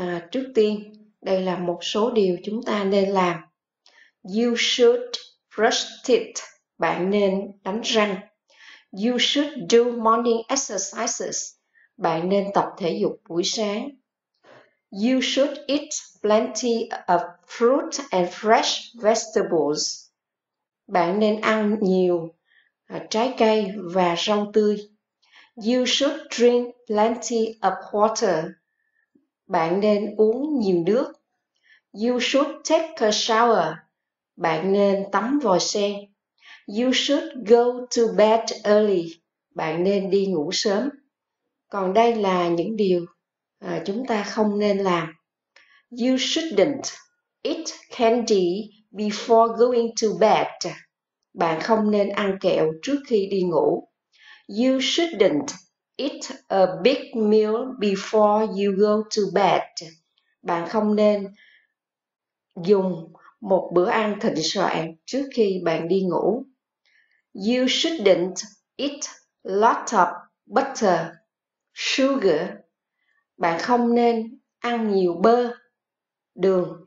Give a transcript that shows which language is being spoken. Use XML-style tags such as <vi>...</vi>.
<vi>Trước tiên, đây là một số điều chúng ta nên làm.</vi> <en>You should brush teeth.</en> <vi>Bạn nên đánh răng.</vi> <en>You should do morning exercises.</en> <vi>Bạn nên tập thể dục buổi sáng.</vi> <en>You should eat plenty of fruit and fresh vegetables.</en> <vi>Bạn nên ăn nhiều trái cây và rau tươi.</vi> <en>You should drink plenty of water.</en> <vi>Bạn nên uống nhiều nước.</vi> <en>You should take a shower.</en> <vi>Bạn nên tắm vòi sen.</vi> <en>You should go to bed early.</en> <vi>Bạn nên đi ngủ sớm. Còn đây là những điều chúng ta không nên làm.</vi> <en>You shouldn't eat candy before going to bed.</en> <vi>Bạn không nên ăn kẹo trước khi đi ngủ.</vi> <en>You shouldn't eat a big meal before you go to bed.</en> <vi>Bạn không nên dùng một bữa ăn thịnh soạn trước khi bạn đi ngủ.</vi> <en>You shouldn't eat lots of butter, sugar.</en> <vi>Bạn không nên ăn nhiều bơ, đường.</vi>